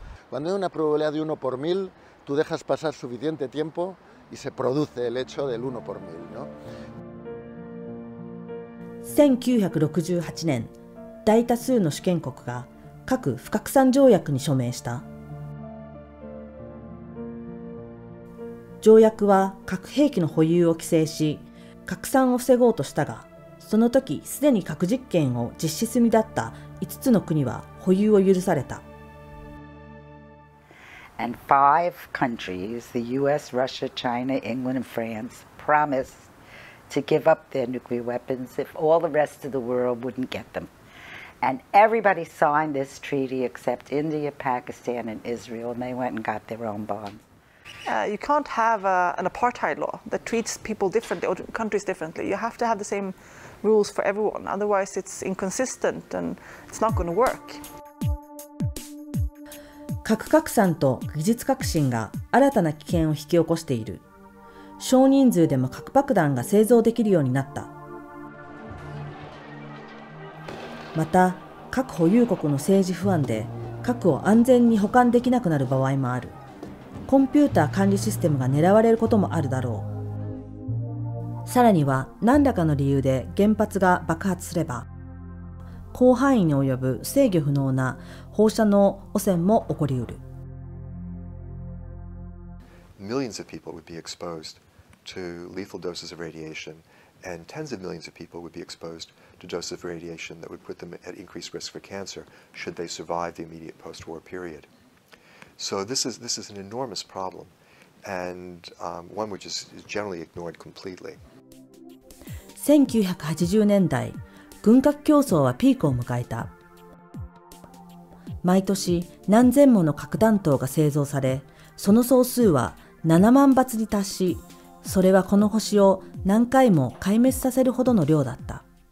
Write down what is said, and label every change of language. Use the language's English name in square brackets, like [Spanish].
[Spanish] Cuando hay una probabilidad de uno por mil, tú dejas pasar suficiente tiempo y se produce el hecho del uno por mil, ¿no? [Japanese] 1968年、大多数の主権国が核不拡散条約に署名した。条約は核兵器の保有を規制し、拡散を防ごうとしたが、その時すでに核実験を実施済みだった5つの国は保有を許された。 [English] And five countries, the US, Russia, China, England, and France, promised to give up their nuclear weapons if all the rest of the world wouldn't get them. And everybody signed this treaty except India, Pakistan, and Israel, and they went and got their own bombs. You can't have an apartheid law that treats people differently or countries differently. You have to have the same rules for everyone, otherwise it's inconsistent and it's not going to work. [Japanese] 核拡散と技術革新が新たな危険を引き起こしている。少人数でも核爆弾が製造できるようになった。また核保有国の政治不安で核を安全に保管できなくなる場合もある。コンピューター管理システムが狙われることもあるだろう。さらには何らかの理由で原発が爆発すれば広範囲に及ぶ制御不能な放射能汚染も起こりうる。 [English] Millions of people would be exposed to lethal doses of radiation and tens of millions of people would be exposed to doses of radiation that would put them at increased risk for cancer should they survive the immediate post-war period. So this is an enormous problem and one which is generally ignored completely. [Japanese] 1980年代、軍拡競争はピークを迎えた。毎年何千もの核弾頭が製造され、その総数は 7万発に達し、それはこの星を何回も壊滅させるほどの量だった。